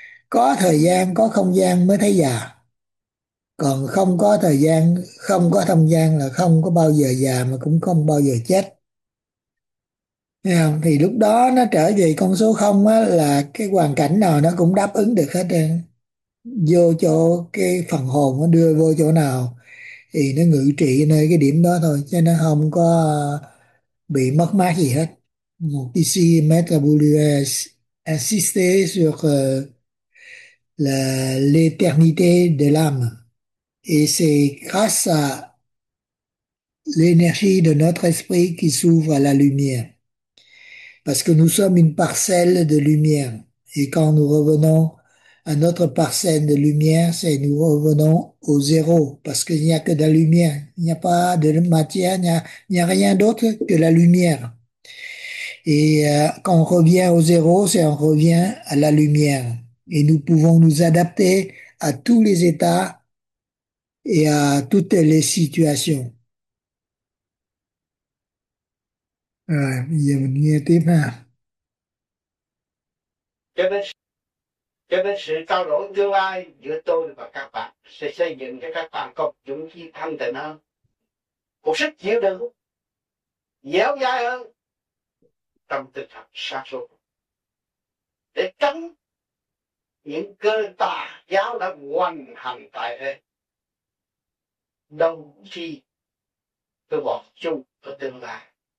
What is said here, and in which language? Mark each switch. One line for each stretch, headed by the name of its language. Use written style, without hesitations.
Vietnamese: Có thời gian, có không gian mới thấy già. Còn không có thời gian, không có không gian là không có bao giờ già mà cũng không bao giờ chết. Thấy không? Thì lúc đó nó trở về con số không á, là cái hoàn cảnh nào nó cũng đáp ứng được hết trơn. Vô chỗ cái phần hồn nó đưa vô chỗ nào thì nó ngự trị nơi cái điểm đó thôi, chứ nó không có bị mất mát gì hết.
French: Một ici metabolue insister sur l'éternité de l'âme. Et c'est grâce à l'énergie de notre esprit qui s'ouvre à la lumière. Parce que nous sommes une parcelle de lumière. Et quand nous revenons à notre parcelle de lumière, c'est nous revenons au zéro. Parce qu'il n'y a que de la lumière. Il n'y a pas de matière, il n'y a rien d'autre que la lumière. Et quand on revient au zéro, c'est on revient à la lumière. Et nous pouvons nous adapter à tous les états et à toutes les situations.
Vietnamese: Rồi, bây giờ mình nghe tiếp ha. Cho nên sự trao đổi tương lai giữa tôi và các bạn sẽ xây dựng cho các bạn có dũng khí thanh tịnh hơn, một sức chịu đựng dẻo dai hơn trong tinh thần sáng suốt, để tránh những cơn tà giáo đã hoành hành tại thế, đồng chí tôi bỏ chung ở tương lai.